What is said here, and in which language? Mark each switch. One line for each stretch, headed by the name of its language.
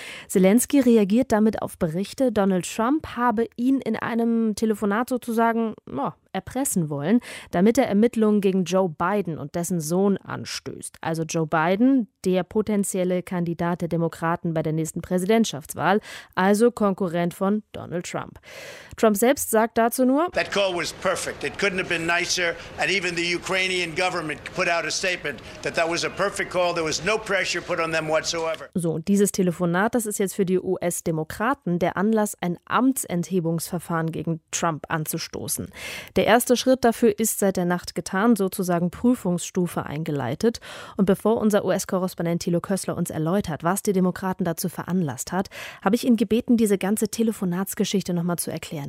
German: Selenskyj reagiert damit auf Berichte, Donald Trump habe ihn in einem Telefonat sozusagen erpressen wollen, damit er Ermittlungen gegen Joe Biden und dessen Sohn anstößt. Also Joe Biden, der potenzielle Kandidat der Demokraten bei der nächsten Präsidentschaftswahl, also Konkurrent von Donald Trump. Trump selbst sagt dazu nur:
English: That call was perfect. It couldn't have been nicer. And even the Ukrainian government put out a statement that that was a perfect call. There was no pressure put on them whatsoever.
German: So, und dieses Telefonat, das ist jetzt für die US-Demokraten der Anlass, ein Amtsenthebungsverfahren gegen Trump anzustoßen. Der erste Schritt dafür ist seit der Nacht getan, sozusagen Prüfungsstufe eingeleitet. Und bevor unser US-Korrespondent Thilo Kössler uns erläutert, was die Demokraten dazu veranlasst hat, habe ich ihn gebeten, diese ganze Telefonatsgeschichte nochmal zu erklären.